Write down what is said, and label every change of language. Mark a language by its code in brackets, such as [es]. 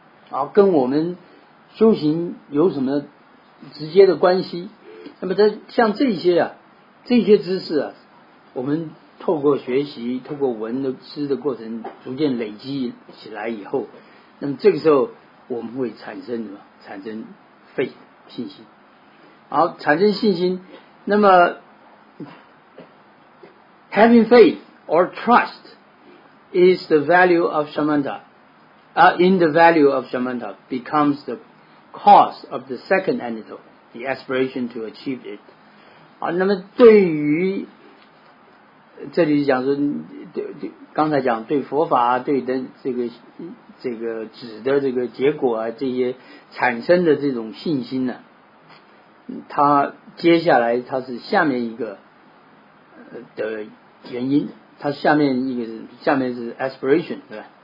[zh] 啊，跟我们修行有什么直接的关系？那么在像这些啊，这些知识啊，我们透过学习，透过闻的知的过程，逐渐累积起来以后，那么这个时候我们会产生什么？产生 faith 信心。好，产生信心。那么 [en] having faith or trust is the value of shamatha、in the value of shamatha becomes the cause of the second antidote, the aspiration to achieve it。 [zh] 好，那么对于这里讲说，刚才讲对佛法对的这个止的这个结果啊，这些产生的这种信心呢、啊，他接下来他是下面一个的原因，他下面一个是下面是 aspiration 对吧？